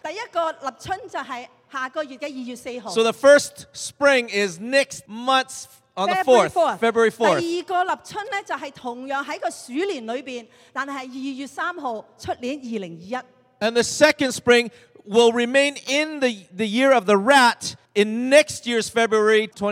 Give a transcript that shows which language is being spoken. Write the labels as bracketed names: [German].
[English] So the first spring is next month on the 4th, February 4th. [Cantonese] 第二個立春就係同樣喺個鼠年裏邊，但係2月3號，出年2021。 [English] And the second spring will remain in the year of the rat in next year's February